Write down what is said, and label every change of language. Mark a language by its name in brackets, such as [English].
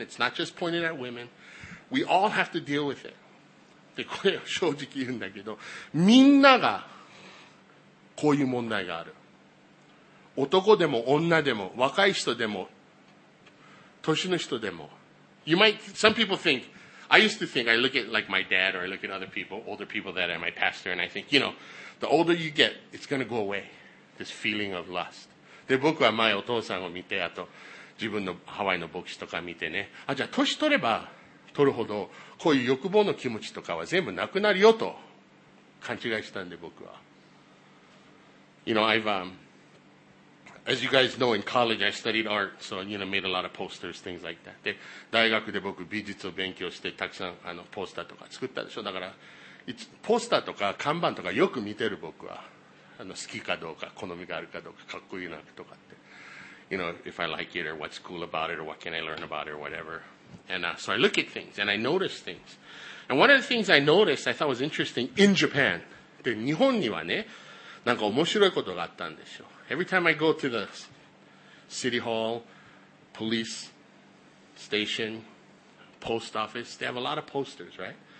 [English] It's not just pointed at women. We all have to deal with it. [Japanese] で、これは正直言うんだけど、みんながこういう問題がある。男でも女でも、若い人でも、年の人でも。 [English] You might, some people think,I used to think, I look at like my dad or I look at other people, older people that are my pastor, and I think, you know, the older you get, it's going to go away, this feeling of lust. [Japanese] で、僕は前お父さんを見て、あと自分のハワイの牧師とか見てね、あ、じゃあ年取れば取るほど、こういう欲望の気持ちとかは全部なくなるよと勘違いしたんで、僕は。 [English] You know, I've, as you guys know, in college, I studied art, so, you know, made a lot of posters, things like that. [Japanese] で、大学で僕、美術を勉強して、たくさん、ポスターとか作ったでしょ。だから、ポスターとか看板とかよく見てる僕は、好きかどうか、好みがあるかどうか、かっこいいなとかって。 [English] You know, if I like it, or what's cool about it, or what can I learn about it, or whatever. And, so I look at things, and I notice things. And one of the things I noticed, I thought was interesting, in Japan. [Japanese] で、日本にはね、なんか面白いことがあったんでしょ。 [English] Every time I go to the city hall, police station, post office, they have a lot of posters, right?